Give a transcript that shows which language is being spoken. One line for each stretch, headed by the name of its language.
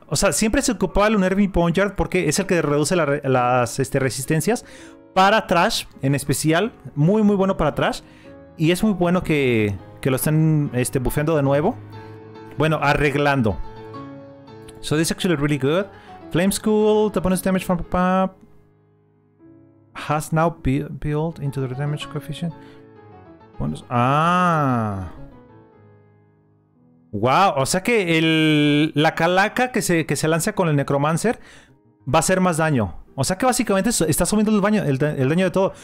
Spanish: O sea, siempre se ocupaba el Unnerving Boneyard porque es el que reduce las resistencias para Trash en especial. Muy, muy bueno para Trash. Y es muy bueno que lo estén bufeando de nuevo. Bueno, arreglando.
English: So this is actually really good. Flame School, the bonus damage from papa has now built into the damage coefficient. Bonus. Ah.
Spanish: Wow, o sea que la calaca que se lanza con el Necromancer va a hacer más daño. O sea que básicamente está subiendo el daño de todo.